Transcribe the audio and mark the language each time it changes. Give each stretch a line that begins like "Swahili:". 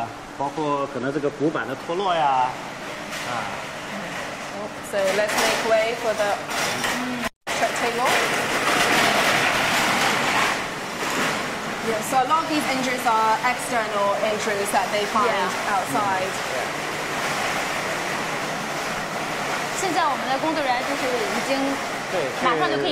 Chinese: 体外的损伤，比如说这个刮伤啊，包括可能这个骨板的脱落呀。
English: So let's make way for the track table. Yeah, so a lot of these injuries are external injuries that they find outside. Yeah.
Chinese: 现在我们的工作人员就是已经